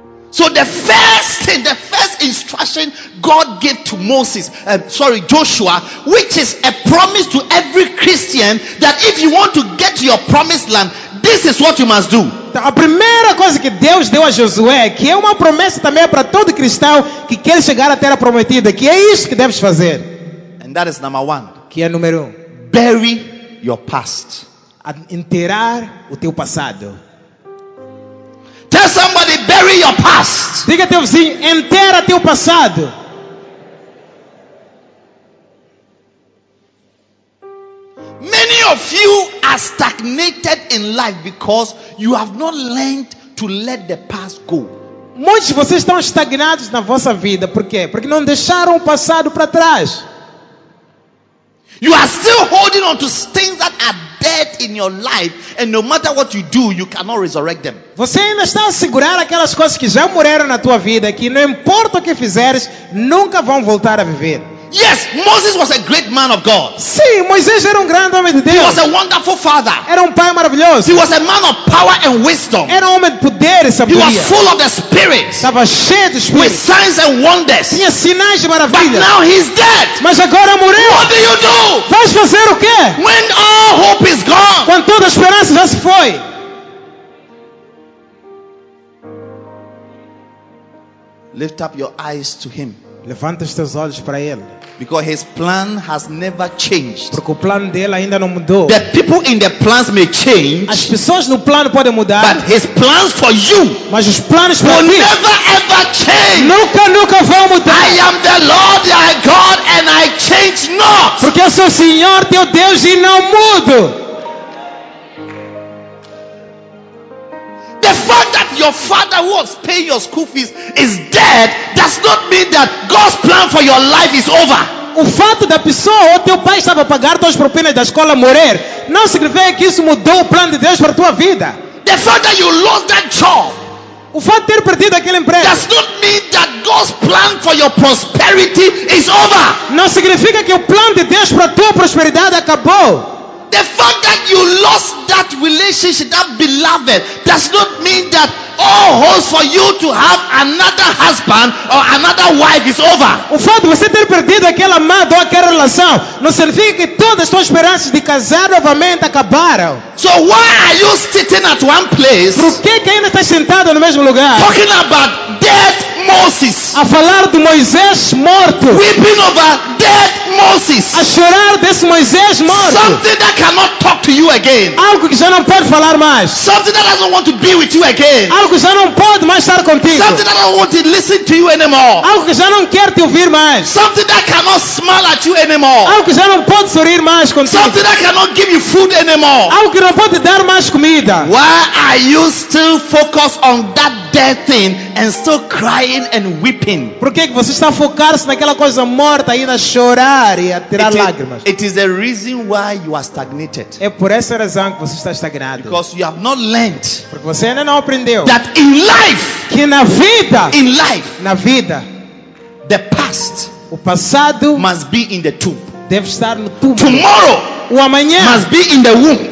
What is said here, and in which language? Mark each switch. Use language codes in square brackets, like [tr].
[en] So the first instruction God gave to Joshua, which is a promise to every Christian, that if you want to get to your promised land, this is what you must do. [pt] A primeira coisa que Deus deu a Josué, que é uma promessa também para todo cristão que quer chegar à terra prometida, que é isso que deves fazer. [en] And that is number one. [pt] Que é número um. [en] Bury your past. [pt] Enterrar o teu passado. [en] Tell somebody, bury your past. [pt] Diga teu vizinho, enterra teu passado. [en] Many of you are stagnated in life because you have not learned to let the past go. [pt] Muitos de vocês estão estagnados na vossa vida. Por quê? Porque não deixaram o passado para trás. [en] You are still holding on to things that are dead in your life, and no matter what you do, you cannot resurrect them. [pt] Você ainda está a segurar aquelas coisas que já morreram na tua vida, que não importa o que fizeres, nunca vão voltar a viver. [en] Yes, Moses was a great man of God. [pt] Sim, Moisés era um grande homem de Deus. [en] He was a wonderful father. [pt] Era um pai maravilhoso. [en] He was a man of power and wisdom. [pt] Era um homem de poder e sabedoria. [en] He was full of the Spirit. [pt] Estava cheio do Espírito. [en] With signs and wonders. [pt] Tinha sinais de maravilha. [en] But now he's dead. [pt] Mas agora morreu. [en] What do you do? [pt] Vais fazer o quê? [en] When all hope is gone. [pt] Quando toda a esperança já se foi. [en] Lift up your eyes to him. [pt] Levanta os teus olhos para ele. [en] Because his plan has never changed. [pt] Porque o plano dele ainda não mudou. [en] The people in the plans may change. [pt] As pessoas no plano podem mudar. [en] But his plans for you. [pt] Mas os planos para ti. [en] Will never ever change. [pt] Nunca vão mudar. [en] I am the Lord thy God and I change not. [pt] Porque eu sou o Senhor teu Deus e não mudo. [en] The fact that your father who was paying your school fees is dead does not mean that God's plan for your life is over. [pt] O fato da pessoa ou teu pai estava a pagar todas as propinas da escola morrer não significa que isso mudou o plano de Deus para a tua vida. [en] The fact that you lost that job. [pt] O fato de ter perdido aquele emprego. [en] Does not mean that God's plan for your prosperity is over. [pt] Não significa que o plano de Deus para a tua prosperidade acabou. [en] The fact that you lost that relationship, that beloved, does not mean that all hopes for you to have another husband or another wife is over. [pt] O fato de você ter perdido aquela amada ou aquela relação não significa que todas as suas esperanças de casar novamente acabaram. [en] So why are you sitting at one place? [pt] Por que ainda está sentado no mesmo lugar? [en] Talking about dead Moses. [pt] A falar do Moisés morto. [en] Weeping over dead Moses. [pt] A chorar desse Moisés morto. [en] Something that cannot talk to you again. [pt] Algo que já não pode falar mais. [en] Something that doesn't want to be with you again. [pt] Algo que já não pode mais estar contigo. [en] Something that doesn't want to listen to you anymore. [pt] Algo que já não quer te ouvir mais. [en] Something that cannot smile at you anymore. [pt] Algo que já não pode sorrir mais contigo. [en] Something that cannot give you food anymore. [pt] Algo que não pode dar mais comida. [en] Why are you still focused on that dead thing and still crying and weeping? [pt] Por que você está focado naquela coisa morta ainda chorar e a tirar lágrimas? [en] It is the reason why you are stagnated. [pt] É por essa razão que você está estagnado. [en] Because you have not learned. [pt] Porque você ainda não aprendeu. [en] That in life, [pt] que na vida, [en] in life, [pt] na vida, [en] the past, [pt] o passado, [en] must be in the tomb. [pt] Deve estar no túmulo. [en] Tomorrow, [pt] o amanhã, [en] must be in the womb.